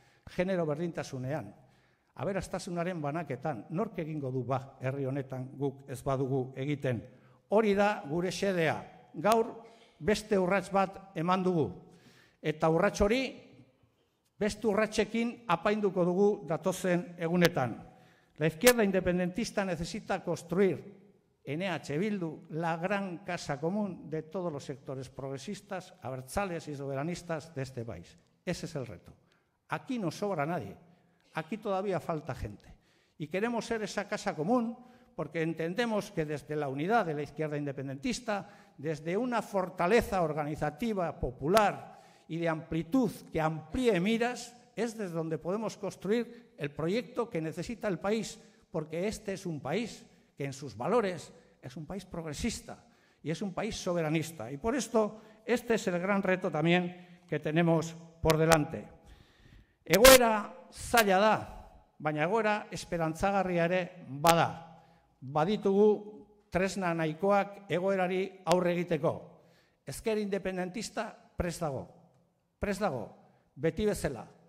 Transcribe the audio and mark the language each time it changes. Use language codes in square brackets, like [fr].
[eu] Genero berdintasunean, aberastasunaren banaketan, nork egingo du ba herri honetan guk ez badugu egiten. Hori da gure xedea. Gaur beste urrats bat eman dugu. Eta urrats hori beste urratsekin apainduko dugu datozen egunetan. [es] La izquierda independentista necesita construir en EH Bildu la gran casa común de todos los sectores progresistas, abertzales y soberanistas de este país. Ese es el reto. Aquí no sobra nadie. Aquí todavía falta gente. Y queremos ser esa casa común porque entendemos que desde la unidad de la izquierda independentista, desde una fortaleza organizativa popular y de amplitud que amplíe miras, es desde donde podemos construir el proyecto que necesita el país, porque este es un país que en sus valores es un país progresista y es un país soberanista. Y por esto, este es el gran reto también que tenemos por delante. [eu] Egoera zaila da, baina egoera esperantzagarria ere bada. Baditugu tresna nahikoak egoerari aurre egiteko. Ezker independentista prest dago, beti bezala.